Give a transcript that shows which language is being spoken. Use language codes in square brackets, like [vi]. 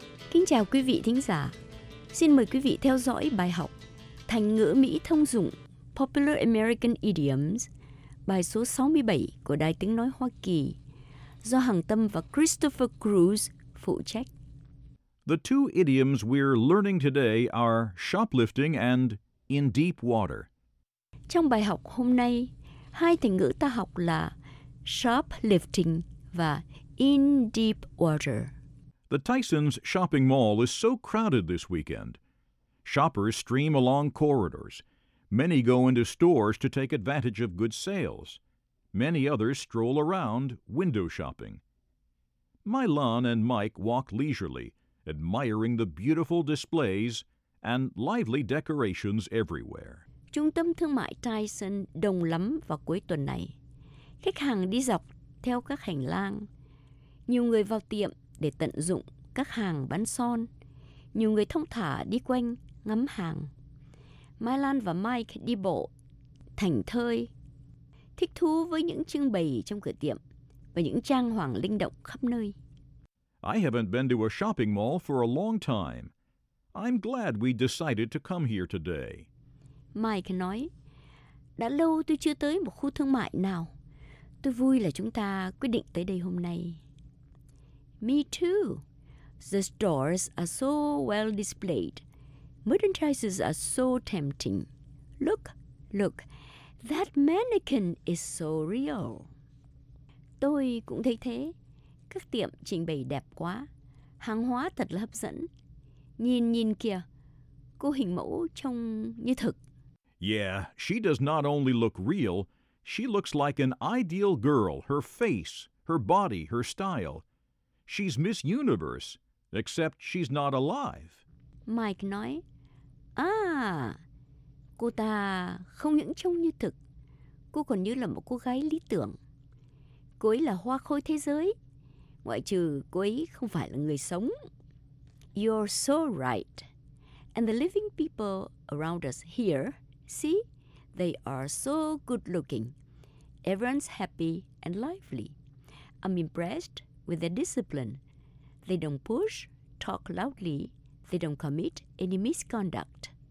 [vi] Kính chào quý vị thính giả. Xin mời quý vị theo dõi bài học thành ngữ Mỹ thông dụng Popular American Idioms, bài số 67 của Đài Tiếng Nói Hoa Kỳ, do Hằng Tâm và Christopher Cruz phụ trách. [en] The two idioms we're learning today are shoplifting and in deep water. [vi] Trong bài học hôm nay, hai thành ngữ ta học là shoplifting và [en] in deep water. The Tysons shopping mall is so crowded this weekend. Shoppers stream along corridors. Many go into stores to take advantage of good sales. Many others stroll around, window shopping. Mylon and Mike walk leisurely, admiring the beautiful displays and lively decorations everywhere. [vi] Trung tâm thương mại Tyson đông lắm vào cuối tuần này. Khách hàng đi dọc theo các hành lang. Nhiều người vào tiệm để tận dụng các hàng bán son. Nhiều người thong thả đi quanh, ngắm hàng. Mylon và Mike đi bộ, thảnh thơi, thích thú với những trưng bày trong cửa tiệm và những trang hoàng linh động khắp nơi. [en] I haven't been to a shopping mall for a long time. I'm glad we decided to come here today. [vi] Mike nói, đã lâu tôi chưa tới một khu thương mại nào. Tôi vui là chúng ta quyết định tới đây hôm nay. [en] Me too. The stores are so well displayed. Merchandises are so tempting. Look, look. That mannequin is so real. [vi] Tôi cũng thấy thế. Các tiệm trình bày đẹp quá. Hàng hóa thật là hấp dẫn. Nhìn nhìn kìa. Cô hình mẫu trông như thực. [en] Yeah, she does not only look real. She looks like an ideal girl. Her face, her body, her style. She's Miss Universe, except she's not alive. [vi] Mike nói, cô ta không những trông như thực, cô còn như là một cô gái lý tưởng. Cô ấy là hoa khôi thế giới, ngoại trừ cô ấy không phải là người sống. [en] You're so right. And the living people around us here, see, they are so good looking. Everyone's happy and lively. I'm impressed with their discipline. They don't push, talk loudly. They don't commit any misconduct.